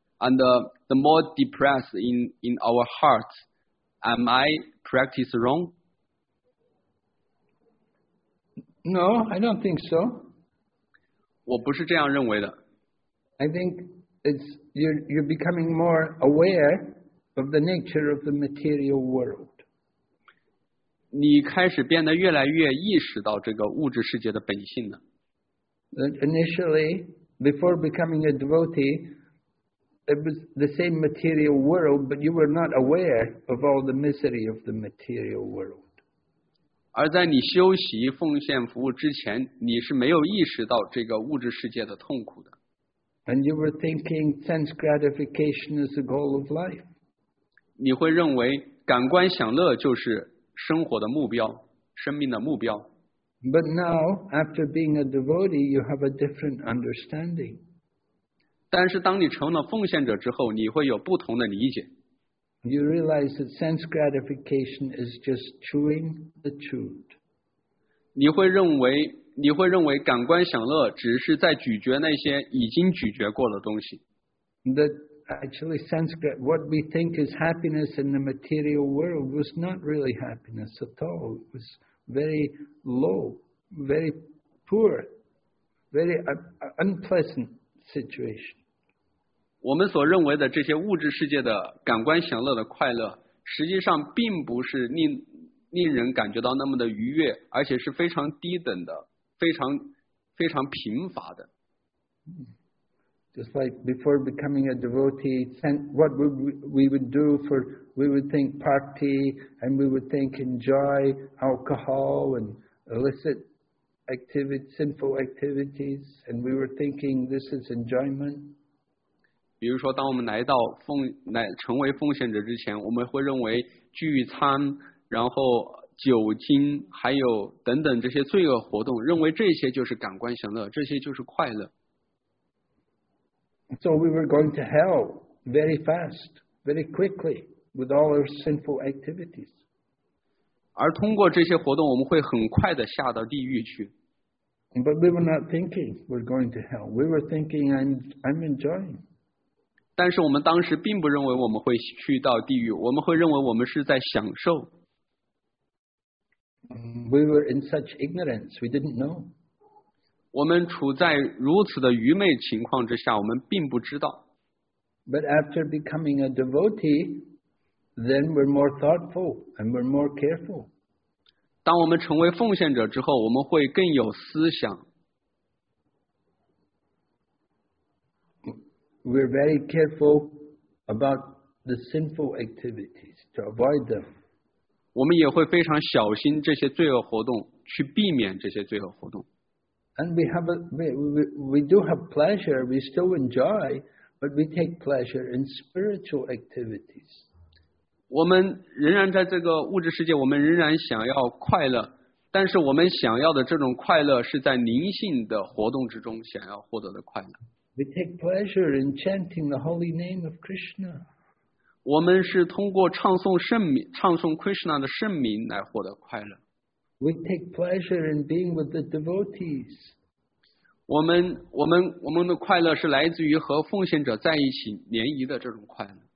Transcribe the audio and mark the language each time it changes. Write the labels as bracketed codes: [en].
[en] And the more depressed in our hearts, am I practice wrong? No, I don't think so. [zh] 我不是这样认为的。 [en] I think it's you're becoming more aware of the nature of the material world. [zh] 你开始变得越来越意识到这个物质世界的本性了。 [en] That initially, before becoming a devotee,It was the same material world, but you were not aware of all the misery of the material world. [zh] 而在你修习奉献服务之前，你是没有意识到这个物质世界的痛苦的。 [en] And you were thinking sense gratification is the goal of life. [zh] 你会认为感官享乐就是生活的目标，生命的目标。 [en] But now, after being a devotee, you have a different understanding. [zh] 但是当你成了奉献者之后，你会有不同的理解。 [en] You realize that sense gratification is just chewing the truth. [zh] 你会认为感官享乐只是在咀嚼那些已经咀嚼过的东西。 [en] That actually sense gratification, what we think is happiness in the material world was not really happiness at all. It was very low, very poor, very unpleasant situation. [zh] 我们所认为的这些物质世界的感官享乐的快乐，实际上并不是令人感觉到那么的愉悦，而且是非常低等的，非常贫乏的。 [en] Just like before becoming a devotee, what we would do for, we would think party, and we would think enjoy alcohol and illicit activities, sinful activities, and we were thinking this is enjoyment. [zh] 比如说当我们成为奉献者之前，我们会认为聚餐，然后酒精，还有等等这些罪恶活动，认为这些就是感官享乐，这些就是快乐。 [en] So we were going to hell very fast, very quickly, with all our sinful activities. [zh] 而通过这些活动，我们会很快地下到地狱去。 [en] But we were not thinking we're going to hell. We were thinking I'm enjoying. [zh] 但是我们当时并不认为我们会去到地狱，我们会认为我们是在享受。 [en] We were in such ignorance, we didn't know. [zh] 我们处在如此的愚昧情况之下，我们并不知道。 [en] But after becoming a devotee, then we're more thoughtful and we're more careful. [zh] 当我们成为奉献者之后，我们会更有思想。 [en] We're very careful about the sinful activities to avoid them. [zh] 我们也会非常小心这些罪恶活动，去避免这些罪恶活动。 [en] And we have we do have pleasure, we still enjoy, but we take pleasure in spiritual activities. [zh] 我们仍然在这个物质世界，我们仍然想要快乐，但是我们想要的这种快乐是在灵性的活动之中想要获得的快乐。 [en] We take pleasure in chanting the holy name of Krishna. [zh] 我们是通过唱诵圣名，唱诵 Krishna 的圣名来获得快乐。 [en] We take pleasure in being with the devotees. [zh] 我们的快乐是来自于和奉献者在一起联谊的这种快乐。